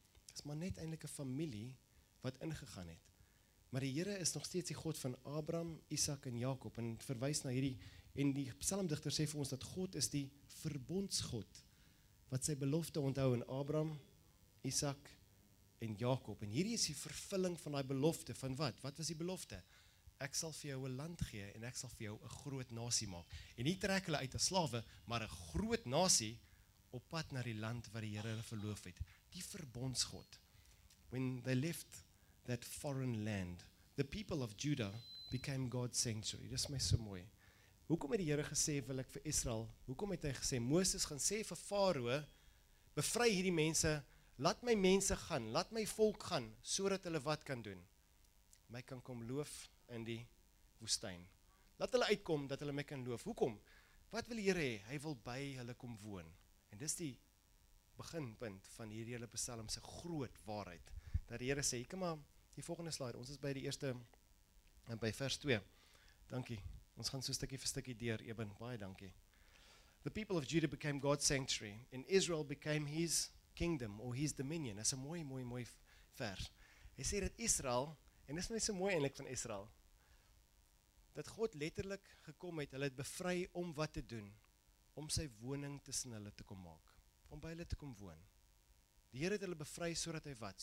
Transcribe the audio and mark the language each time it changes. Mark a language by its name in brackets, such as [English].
[Afrikaans] Dis maar net eintlik 'n familie wat ingegaan het. Maar die Here is nog steeds die God van Abraham, Isak en Jakob en verwys na hierdie en die psalmdigter sê vir ons dat God is die verbondsgod wat sy belofte onthou aan Abraham, Isak en Jakob. En hierdie is die vervulling van daai belofte van wat? Wat was die belofte? Ek sal vir jou 'n land gee en ek sal vir jou 'n groot nasie maak. En nie trek hulle uit as slawe, maar 'n groot nasie op pad na die land wat die Here hulle verloof het. Die verbondsgod. [English] When they left that foreign land, the people of Judah became God's sanctuary. [Afrikaans] Dis my so mooi. Hoekom het die Here gesê wil ek vir Israel? Hoekom het hy gesê Moses gaan sê vir Farao, bevry hierdie mense, laat my mense gaan, laat my volk gaan sodat hulle wat kan doen? My kan kom loof in die woestyn. Laat hulle uitkom dat hulle my kan loof. Hoekom? Wat wil die Here hê? Hy wil by hulle kom woon. En dis die beginpunt van hierdie hele Psalm se groot waarheid. Dat die Here sê, kom maar, die volgende slide, ons is by die eerste en by vers 2. Dankie. Ons gaan so stukkie vir stukkie deur, Eben. Baie dankie. [English] The people of Judah became God's sanctuary and Israel became his kingdom or his dominion. [Afrikaans] Dis 'n mooi mooi mooi vers. Hy sê dat Israel en dis net so mooi eintlik van Israel. Dat God letterlik gekom het, hulle het bevry om wat te doen, om sy woning tussen hulle te kom maak, om by hulle te kom woon. Die Here het hulle bevry sodat hy wat?